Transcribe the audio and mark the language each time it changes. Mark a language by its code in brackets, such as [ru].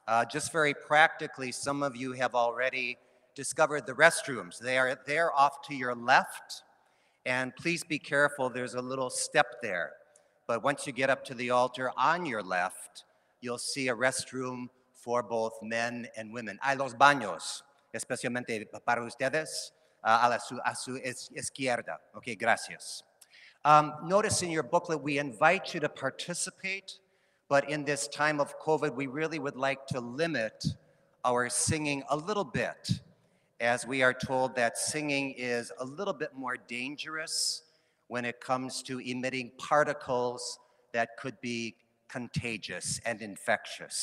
[en] Just very practically, some of you have already discovered the restrooms. They are there off to your left, and please be careful, there's a little step there. But once you get up to the altar on your left, you'll see a restroom for both men and women. [es] Hay los baños, especialmente para ustedes, a su izquierda. Okay, gracias. [en] Notice in your booklet, we invite you to participate. But in this time of COVID, we really would like to limit our singing a little bit, as we are told that singing is a little bit more dangerous when it comes to emitting particles that could be contagious and infectious.